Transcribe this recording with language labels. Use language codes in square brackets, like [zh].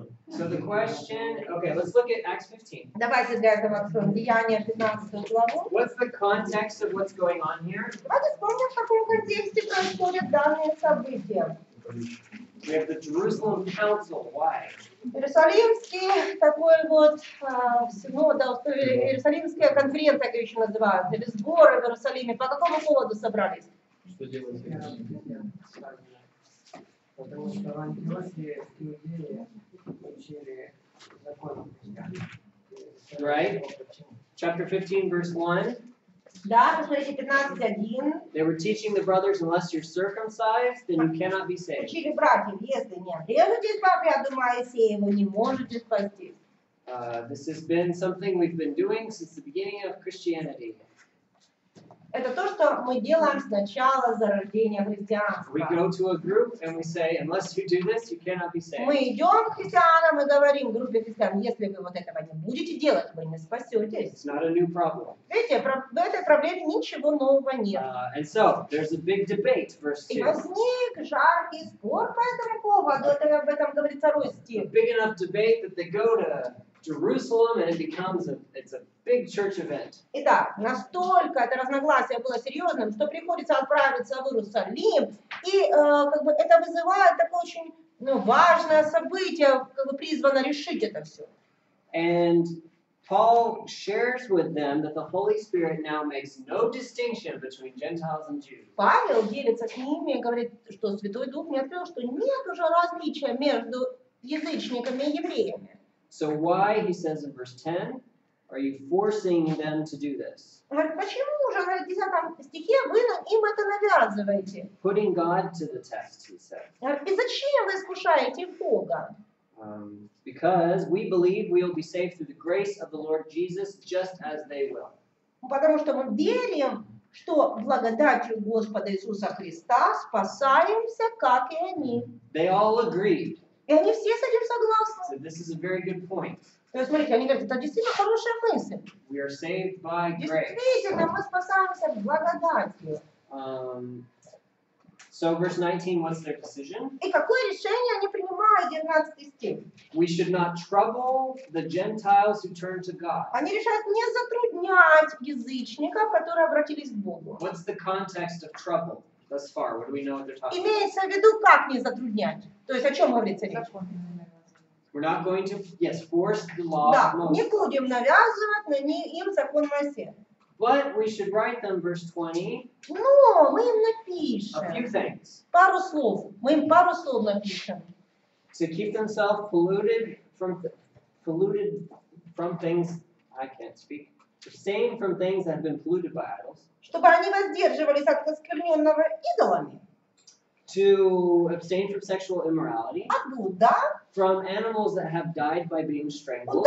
[en] So the question, okay, let's look at Acts 15. [ru] Давайте для этого откроем Деяния 15 главу. [en] What's the context of what's going on here? [ru] Давайте вспомним, в каком контексте происходят данные события. [en] We have the Jerusalem Council. Why? [ru] Иерусалимский такой вот синод, Иерусалимская конференция, как еще называют, или сборы в Иерусалиме. По какому поводу собрались? Что делать? Потому что Антиохия. [en] Right? Chapter 15, verse 1. [ru] Да, послушайте, 15:1. [en] They were teaching the brothers, unless you're circumcised, then you cannot be saved. [ru] Учили братьев, если не отрежетесь по обряду Моисееву, не можете спастись. [en] This has been something we've been doing since the beginning of Christianity. [ru] Это то, что мы делаем с начала зарождения христианства. [en] We go to a group and we say, unless you do this, you cannot be saved. [ru] Мы идем к христианам и говорим группе христиан, если вы вот этого не будете делать, вы не спасетесь. [en] It's not a new problem. [ru] Видите, в этой проблеме ничего нового нет. [en] And so, there's a big debate, verse 2. [ru] И возник жаркий спор по этому поводу, об этом говорит второй стих. [en] A big enough debate that they go to Jerusalem, and it becomes it's a big church event. [ru] Итак, настолько это разногласие было серьезным, что приходится отправиться в Иерусалим, и как бы это вызывает такое очень важное событие, как бы призвано решить это все. [en] And Paul shares with them that the Holy Spirit now makes no distinction between Gentiles and Jews. [ru] Павел делится с ними и говорит, что Святой Дух не открыл, что нет уже различия между язычниками и евреями. [en] So why, he says in verse 10, are you forcing them to do this? [ru] Почему уже в 10 стихе вы им это навязываете? [en] Putting God to the test, he says. [ru] И зачем вы искушаете Бога? [en] Because we believe we will be saved through the grace of the Lord Jesus, just as they will. [ru] Потому что мы верим, что благодатью Господа Иисуса Христа спасаемся, как и они. [en] They all agreed. [ru] И они все с этим согласны. [en] So this is a very good point. [ru] То есть, смотрите, они говорят, это действительно хорошая мысль. [en] We are saved by grace. [ru] Действительно, мы спасаемся благодатью. [en] So verse 19, what's their decision? [ru] И какое решение они принимают, 19 стих? [en] We should not trouble the Gentiles who turn to God. [ru] Они решают не затруднять язычников, которые обратились к Богу. [en] What's the context of trouble thus far? What do we know what they're talking about? [ru] Имеется в виду, как не затруднять. То есть о чем говорится речь? [en] We're not going to, yes, force the law. [ru] Да, не будем навязывать на них им закон Моисея. [en] But we should write them verse 20. [ru] Но мы им напишем. [en] A few things. [ru] Пару слов. Мы им пару слов напишем. [en] To keep themselves polluted from things I can't speak. Abstain from things that have been polluted by idols. [ru] Чтобы они воздерживались от оскверненного идолами. [en] To abstain from sexual immorality. [ru] От блуда. [en] From animals that have died by being strangled.